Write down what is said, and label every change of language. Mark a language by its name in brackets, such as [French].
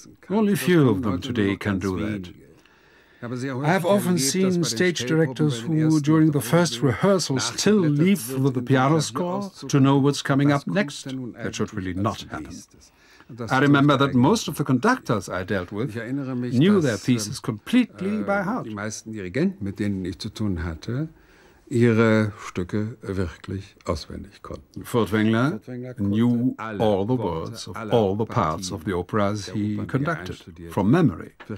[English] Only few of them today can do that. I have often seen stage directors who, during the first rehearsal, still leave for the piano score to know what's coming up next. That should really not happen. I remember that most of the conductors I dealt with knew their pieces completely by heart. [German] Die meisten Dirigenten, mit denen ich zu tun hatte, ihre Stücke wirklich auswendig konnten. [English] Furtwängler knew all the words of all the parts of the operas he conducted from memory.